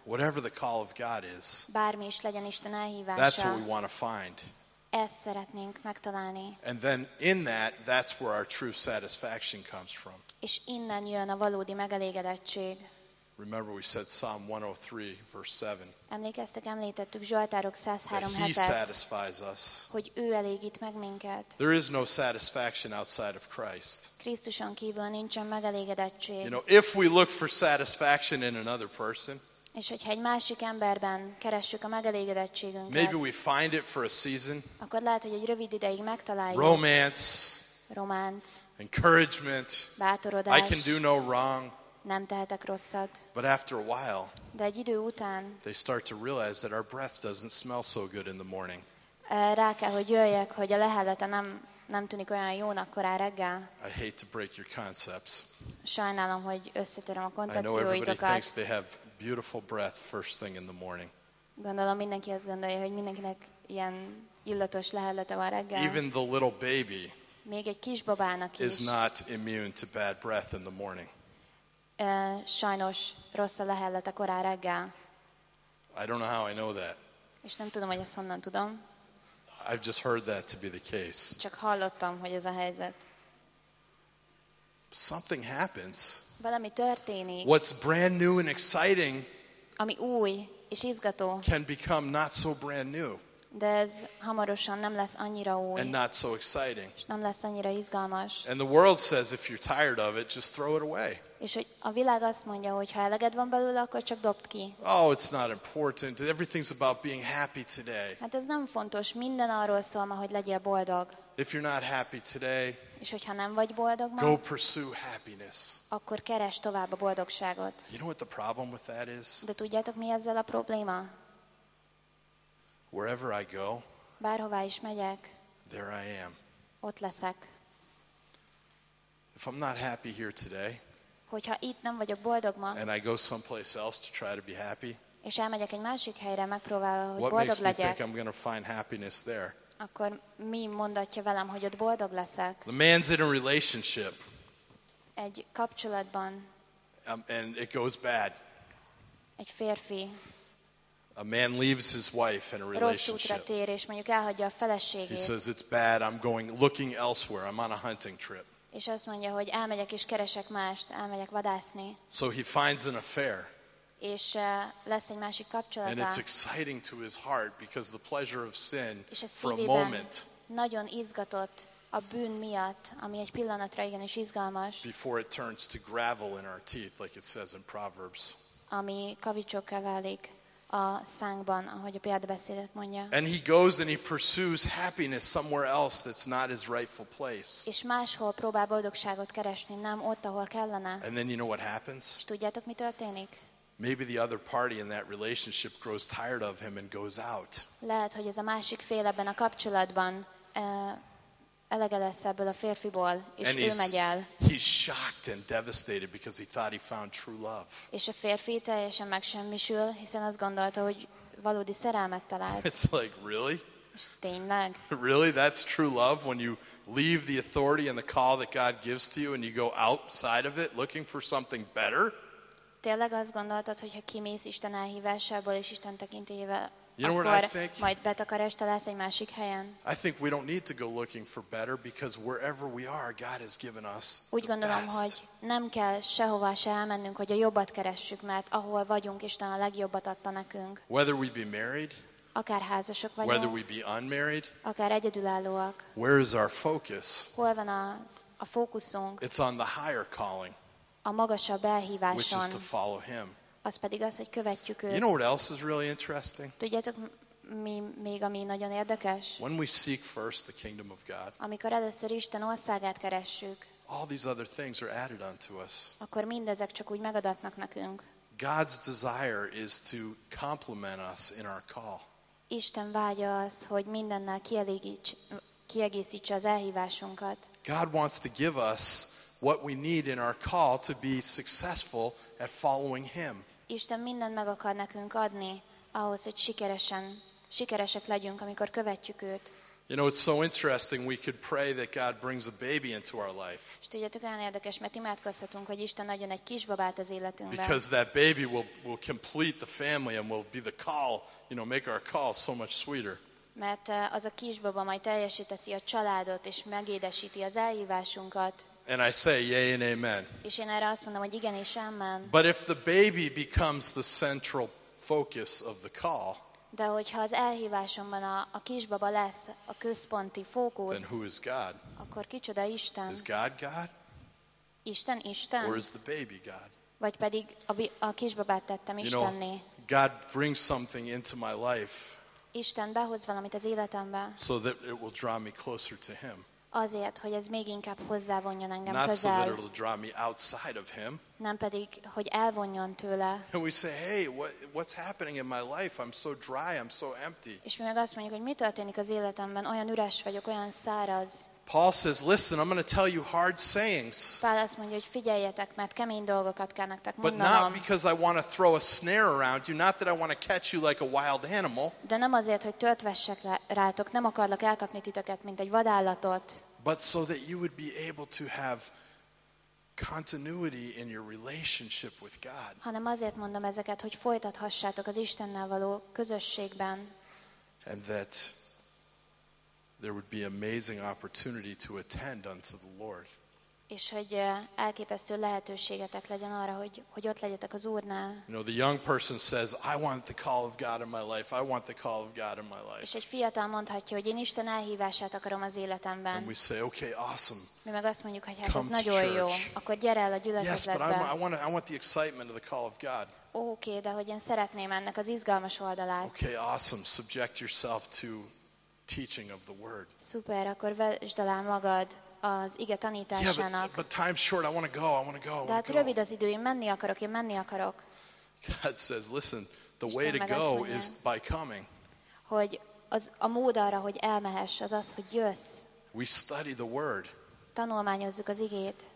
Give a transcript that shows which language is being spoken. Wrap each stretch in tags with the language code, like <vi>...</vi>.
<en>Whatever the call of God is.</en> <hu>Bármi is legyen Isten elhívása.</hu> <en>That's what we want to find.</en> <hu>Ezt szeretnénk megtalálni.</hu> <en>And then in that, that's where our true satisfaction comes from.</en> <hu>És innen jön a valódi megelégedettség.</hu> <en>Remember we said Psalm 103 verse 7.</en> <hu>Emlékeztek, említettük Zsoltárok 103:7-et.</hu> <en>He satisfies us.</en> <hu>Hogy ő elégít meg minket.</hu> <en>There is no satisfaction outside of Christ.</en> <hu>Krisztuson kívül nincsen megelégedettség.</hu> <en>You know, if we look for satisfaction in another person.</en> <hu>És hogyha egy másik emberben keressük a megelégedettségünket.</hu> <en>Maybe we find it for a season.</en> <hu>Akkor lehet, hogy egy rövid ideig megtaláljuk.</hu> <en>Romance.</en> <hu>Románc.</hu> <en>Encouragement.</en> <hu>Bátorodás.</hu> <en>I can do no wrong.</en> <hu>Nem tehetek rosszat.</hu> <en>But after a while,</en> <hu>de egy idő után,</hu> <en>they start to realize that our breath doesn't smell so good in the morning.</en> <hu>Rá kell, hogy jöjjek, hogy a lehelete nem tűnik olyan jónak korán reggel.</hu> <en>I hate to break your concepts.</en> <hu>Sajnálom, hogy összetöröm a koncepcióitokat.</hu> <en>I know everybody thinks they have beautiful breath first thing in the morning.</en> <hu>Gondolom, mindenki azt gondolja, hogy mindenkinek ilyen illatos lehelete van reggel.</hu> <en>Even the little baby</en> <hu>még egy kisbabának</hu> <en>is not immune to bad breath in the morning.</en> <hu>Sajnos rossz a lehellet a korán reggel.</hu> <en>I don't know how I know that.</en> <hu>És nem tudom, hogy ezt honnan tudom.</hu> <en>I've just heard that to be the case.</en> <hu>Csak hallottam, hogy ez a helyzet.</hu> <en>Something happens.</en> <hu>Valami történik.</hu> <en>What's brand new and exciting.</en> <hu>Ami új és izgató.</hu> <en>Can become not so brand new.</en> <hu>De ez hamarosan nem lesz annyira új.</hu> <en>And not so exciting.</en> <hu>És nem lesz annyira izgalmas.</hu> <en>And the world says if you're tired of it, just throw it away.</en> <hu>És hogy a világ azt mondja, hogy ha eleged van belőle, akkor csak dobd ki.</hu> <en>Oh, it's not important. Everything's about being happy today.</en> <hu>Hát ez nem fontos. Minden arról szól ma, hogy legyél boldog.</hu> <en>If you're not happy today,</en> <hu>és hogyha nem vagy boldog ma,</hu> <en>go pursue happiness.</en> <hu>Akkor keresd tovább a boldogságot.</hu> <en>You know what the problem with that is?</en> <hu>De tudjátok, mi ezzel a probléma?</hu> <en>Wherever I go,</en> <hu>bárhová is megyek,</hu> <en>there I am.</en> <hu>Ott leszek.</hu> <en>If I'm not happy here today,</en> <hu>hogyha itt nem vagyok boldog ma,</hu> <en>and I go someplace else to try to be happy,</en> <hu>És elmegyek egy másik helyre, megpróbálva, hogy boldog legyek.</hu> <en>What makes me think I'm going to find happiness there?</en> <hu>Akkor mi mondatja velem, hogy ott boldog leszek?</hu> <en>The man's in a relationship.</en> <hu>Egy kapcsolatban.</hu> <en>And it goes bad.</en> <hu>Egy férfi.</hu> <en>A man leaves his wife in a relationship.</en> <hu>Rossz útra tér, és mondjuk elhagyja a feleségét.</hu> <en>He says it's bad. I'm going looking elsewhere. I'm on a hunting trip.</en> <hu>És azt mondja, hogy elmegyek és keresek mást, elmegyek vadászni.</hu> <en>So he finds an affair.</en> <hu>És lesz egy másik kapcsolata.</hu> <en>And it's exciting to his heart because the pleasure of sin for a moment.</en> <hu>Nagyon izgatott a bűn miatt, ami egy pillanatra igenis izgalmas.</hu> <en>Before it turns to gravel in our teeth, like it says in Proverbs.</en> <hu>Ami kavicsokká válik a szánkban, ahogy a példabeszédet mondja.</hu> <en>And he goes and he pursues happiness somewhere else that's not his rightful place.</en> <hu>És máshol próbál boldogságot keresni, nem ott, ahol kellene.</hu> <en>And then you know what happens?</en> <hu>És tudjátok, mi történik?</hu> <en>Maybe the other party in that relationship grows tired of him and goes out.</en> <hu>Lehet, hogy ez a másik fél ebben a kapcsolatban elege lesz ebből a férfiból, és</hu> <en>and</en> <hu>ő megy el.</hu> <en>He's shocked and devastated because he thought he found true love.</en> <hu>És a férfi teljesen megsemmisül, hiszen azt gondolta, hogy valódi szerelmet talált.</hu> <en>It's like, really?</en> <hu>Tényleg?</hu> <en>Really? That's true love when you leave the authority and the call that God gives to you and you go outside of it looking for something better?</en> <hu>Tényleg azt gondoltad, hogy ha kimész Isten elhívásából és Isten tekintélyével, akkor majd betakarásta lesz egy másik helyen.</hu> <en>I think we don't need to go looking for better because wherever we are, God has given us the best.</en> <hu>Úgy gondolom, hogy nem kell sehová se elmennünk, hogy a jobbat keressük, mert ahol vagyunk, Isten a legjobbat adta nekünk.</hu> <en>Whether we be married,</en> <hu>akár házasok vagyunk,</hu> <en>whether we be unmarried,</en> <hu>akár egyedülállóak,</hu> <en>where is our focus?</en> <hu>Hol van az a fókuszunk?</hu> <en>It's on the higher calling.</en> <hu>A magasabb elhíváson.</hu> <en>Which is to follow him.</en> <hu>Az pedig az, hogy követjük őt.</hu> <en>You know what else is really interesting?</en> <hu>Tudjátok, mi még ami nagyon érdekes?</hu> <en>When we seek first the kingdom of God.</en> <hu>Amikor először Isten országát keressük.</hu> <en>All these other things are added unto us.</en> <hu>Akkor mindezek csak úgy megadatnak nekünk.</hu> <en>God's desire is to complement us in our call.</en> <hu>Isten vágya az, hogy mindennel kiegészítse az elhívásunkat.</hu> <en>God wants to give us what we need in our call to be successful at following him.</en> <hu>Isten mindent meg akar nekünk adni ahhoz, hogy sikeresek legyünk, amikor követjük őt.</hu> <en>You know, it's so interesting, we could pray that God brings a baby into our life.</en> <hu>És tudjátok, olyan érdekes, mert imádkozhatunk, hogy Isten adjon egy kisbabát az életünkbe.</hu> <en>Because that baby will complete the family and will be the call, you know, make our call so much sweeter.</en> <hu>Mert az a kisbaba majd teljesíteszi a családot és megédesíti az elhívásunkat.</hu> <en>And I say yay and amen.</en> <hu>És én erre azt mondom, hogy igen és amen.</hu> <en>But if the baby becomes the central focus of the call,</en> <hu>de hogyha az elhívásomban a kisbaba lesz a központi fókusz,</hu> <en>then who is God?</en> <hu>Akkor kicsoda Isten?</hu> <en>Is God God?</en> <hu>Isten Isten?</hu> <en>Or is the baby God?</en> <hu>Vagy pedig a kisbabát tettem Istenné?</hu> <en>You know, God brings something into my life.</en> <hu>Isten behoz valamit az életembe.</hu> <en>So that it will draw me closer to him.</en> <hu>Azért, hogy ez még inkább hozzávonjon engem</hu> <en>not</en> <hu>közel.</hu> <en>So that it'll draw me outside of him.</en> <hu>Nem pedig, hogy elvonjon tőle.</hu> <en>And we say, hey, what's happening in my life? I'm so dry, I'm so empty.</en> <hu>És mi meg azt mondjuk, hogy mi történik az életemben? Olyan üres vagyok, olyan száraz.</hu> <en>Paul says, listen, I'm going to tell you hard sayings.</en> <hu>Pál azt mondja, hogy figyeljetek, mert kemény dolgokat kell nektek mondanom.</hu> <en>But not because I want to throw a snare around you, not that I want to catch you like a wild animal.</en> <hu>De nem azért, hogy tört vessek rátok, nem akarlak elkapni titeket, mint egy vadállatot.</hu> <en>But so that you would be able to have continuity in your relationship with God.</en> <hu>Hanem azért mondom ezeket, hogy folytathassátok az Istennel való közösségben.</hu> <en>And that there would be amazing opportunity to attend unto the Lord.</en> <hu>És hogy elképesztő lehetőségetek legyen arra, hogy ott legyetek az Úrnál.</hu> <en>You know, the young person says, I want the call of God in my life. I want the call of God in my life.</en> <hu>És egy fiatal mondhatja, hogy én Isten elhívását akarom az életemben.</hu> <en>And we say, okay, awesome.</en> <hu>Mi meg azt mondjuk, hogy hát ez nagyon jó. Akkor gyere el a gyülekezetbe.</hu> <en>Yes, but I want the excitement of the call of God.</en> <hu>Okay, de hogy én szeretném ennek az izgalmas oldalát.</hu> <en>Okay, awesome. Subject yourself to teaching of the word.</en> <hu>Super, akkor vesd alá magad az ige tanításának.</hu> <en>Yeah, but time's short. I want to go.</en> <hu>De hát rövid az idő, én menni akarok.</hu> <en>God says, listen, the way to go is by coming.</en> <hu>Hogy az a mód arra, hogy elmehess, az, hogy jössz.</hu> <en>We study the word.</en> <hu>Tanulmányozzuk az igét.</hu>